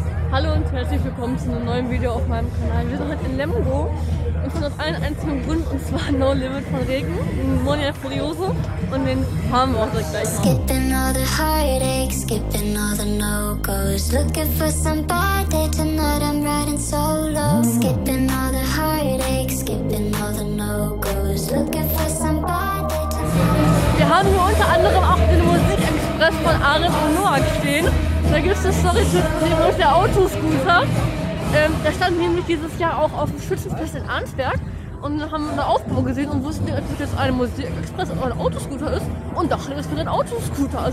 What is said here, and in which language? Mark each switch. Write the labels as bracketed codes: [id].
[de] Hallo und herzlich willkommen zu einem neuen Video auf meinem Kanal. Wir sind heute in Lemgo und sind aus allen einzigen Gründen, und zwar No Limit von Regen, Monia Furioso, und den haben wir auch direkt gleich mal. [en] Skipping all the heartaches, skipping all the no-goes, looking for somebody tonight, I'm riding solo. Skipping all the heartaches, skipping all the no-goes, looking for somebody tonight. [de] Wir haben hier unter anderem auch den Musikexpress von Arif und Noah stehen. Da gibt es eine Story zu dem Bus der Autoscooter. Da standen nämlich dieses Jahr auch auf dem Schützenfest in Arnsberg und haben einen Aufbau gesehen und wussten, ob das jetzt ein Musikexpress oder ein Autoscooter ist, und dachten, das wäre ein Autoscooter.